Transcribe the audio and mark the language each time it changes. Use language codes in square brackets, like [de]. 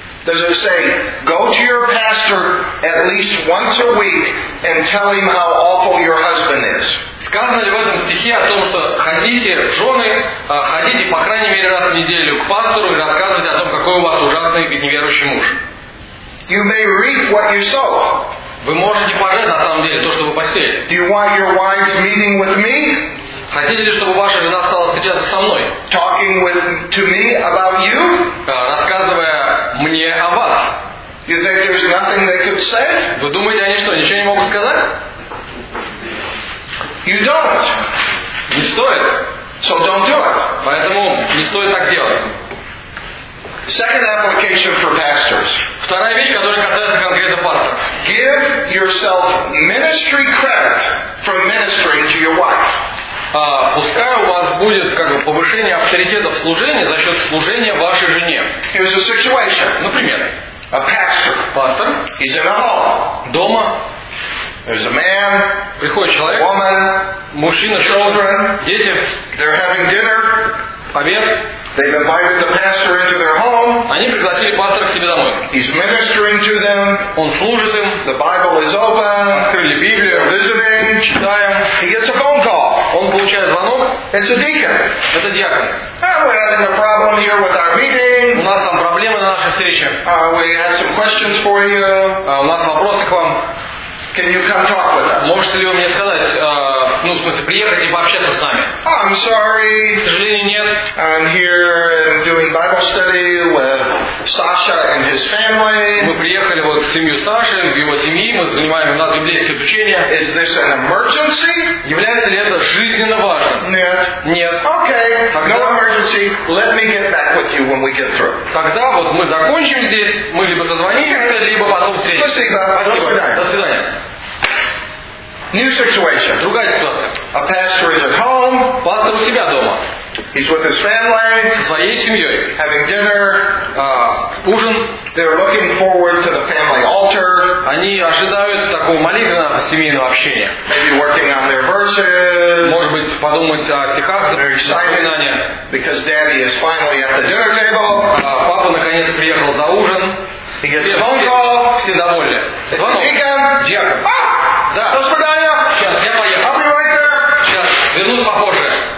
[en] Does it say, go to your pastor at least once a week and tell him how awful your husband is? [ru] Сказано ли в этом стихе о том, что ходите, жены, ходите по крайней мере раз в неделю к пастору и рассказывайте о том, какой у вас ужасный и неверующий муж? [en] You may reap what you sow. [ru] Вы можете пожать на самом деле то, что вы посеяли. [en] Do you want your wife's meeting with me? [ru] Хотите ли, чтобы ваша жена стала встречаться со мной? [en] Talking with to me about you? [ru] Рассказывая мне о вас. [en] You think there's nothing they could say? [ru] Вы думаете, они что, ничего не могут сказать? [en] You don't. [ru] Не стоит. [en] So don't do it. [ru] Поэтому не стоит так делать. [en] Second application for pastors. [ru] Вторая вещь, которая касается конкретно пасторов. [en] Give yourself ministry credit from ministering to your wife. [ru] Пускай у вас будет как бы повышение авторитета в служении за счет служения вашей жене. [en] Here's a situation. [ru] Например. [en] A pastor. [ru] Пастор. [en] He's in a home. [ru] Дома. [en] There's a man. [ru] Приходит человек. [en] Woman. [ru] Мужчина. [en] Children. [ru] Дети. [en] They're having dinner. [ru] Обед. [en] They've invited the pastor into their home. [ru] Они пригласили пастора к себе домой. [en] He's ministering to them. [ru] Он служит им. [en] The Bible is open. [ru] Открыли Библию. [en] Visiting. [ru] Читаем. [en] He gets a phone call. [ru] Он получает звонок. [en] It's a deacon. [ru] Это диакон. [en] We're having a problem here with our meeting. [ru] У нас там проблемы на нашей встрече. [en] We have some questions for you. [ru] У нас вопросы к вам. [en] Can you come talk with us? [ru] Можете ли вы мне сказать, в смысле, приехать и пообщаться с нами? [en] Oh, I'm sorry. [ru] К сожалению, нет. [en] I'm here doing Bible study with Sasha and his family. [ru] Мы приехали вот в семью Саши, в его семьи. Мы занимаем у нас библейское обучение. [en] Is this an emergency? [ru] Является ли это жизненно важным? Нет. Нет. [en] Okay. [ru] Тогда, [en] no emergency. Let me get back with you when we get through. [ru] Тогда вот мы закончим здесь. Мы либо созвонимся, либо потом встретимся. Спасибо. До свидания. До свидания. [en] New situation. [ru] Другая ситуация. [en] A pastor is at home. [ru] Пастор у себя дома. [en] He's with his family. [ru] Со своей семьей. [en] Having dinner. [ru] Ужин. [en] They're looking forward to the family altar. [ru] Они ожидают такого молитвенного семейного общения. [en] Maybe working on their verses. [ru] Может быть, подумать о стихах. [en] They're excited because daddy is finally at the dinner table. [ru] Папа наконец приехал за ужин. [en] He gets a phone call. [ru] Все довольны. Диакон. Диакон. Да. До свидания. Сейчас, я поехал. Обнимайте. Сейчас, вернусь попозже.